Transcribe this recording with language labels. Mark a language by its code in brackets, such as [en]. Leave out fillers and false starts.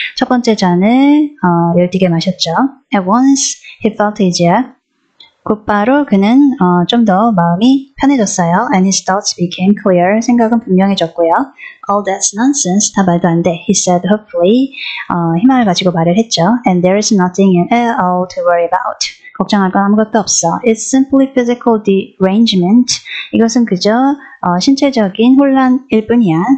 [ko] 첫 번째 잔을 열띠게 마셨죠. [en] At once he felt easier. [ko] 곧바로 그는 좀 더 마음이 편해졌어요. [en] And his thoughts became clear. [ko] 생각은 분명해졌고요. [en] All that's nonsense. [ko] 다 말도 안 돼. [en] He said hopefully. [ko] 희망을 가지고 말을 했죠. [en] And there is nothing at all to worry about. [ko] 걱정할 건 아무것도 없어. [en] It's simply physical derangement. [ko] 이것은 그저 신체적인 혼란일 뿐이야.